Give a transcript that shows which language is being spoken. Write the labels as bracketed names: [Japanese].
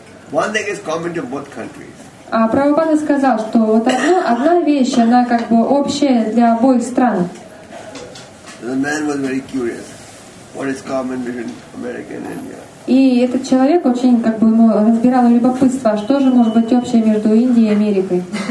[English] One thing is common to both countries. [Russian] А Прабхупада сказал, что вот одна вещь, она как бы общая для обоих стран. [English] The man was very curious. What is common between America and India? [Russian] И этот человек очень как бы ему разбирал любопытство, а что же может быть общее между Индией и Америкой.